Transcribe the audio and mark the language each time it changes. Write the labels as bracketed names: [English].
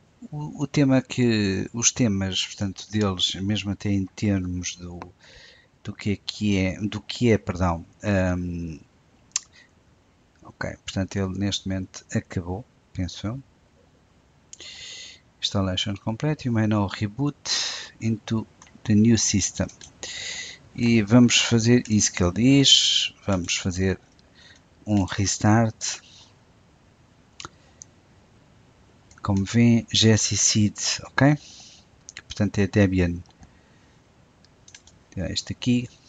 [Portuguese] O tema que, os temas, portanto, deles, mesmo até em termos do que é, do que é, perdão. Ok, portanto, ele neste momento acabou, penso eu. [English] Installation complete, you may now reboot into the new system. [Portuguese] E vamos fazer isso que ele diz, vamos fazer um restart. Como vem, gsisid, ok? Portanto, é Debian. Tirar este aqui.